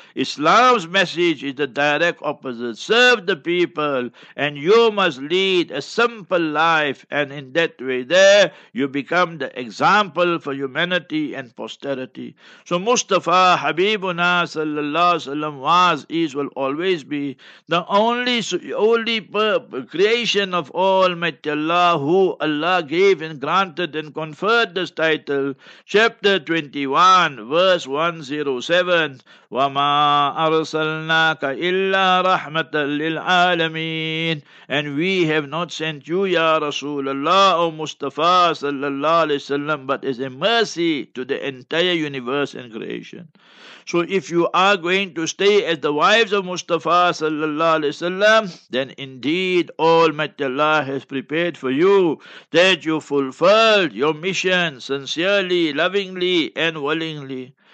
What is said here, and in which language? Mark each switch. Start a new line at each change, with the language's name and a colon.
English: Islam's message is the direct opposite. Serve the people, and you must lead a simple life, and in that way there, you become the example for humanity and posterity. So Mustafa Habibuna sallallahu alaihi wasallam was, is, will always be the only creation of Almighty Allah who Allah gave and granted and conferred this title. Chapter 21, verse 107,
Arabic: وَمَا أَرْسَلْنَاكَ إِلَّا رَحْمَةً لِلْعَالَمِينَ.
English: And we have not sent you, Ya Rasulullah, O Mustafa sallallahu alayhi wa sallam, but as a mercy to the entire universe and creation. So if you are going to stay as the wives of Mustafa sallallahu alayhi wa sallam, then indeed Almighty Allah has prepared for you that you fulfill your mission sincerely, lovingly, and willingly.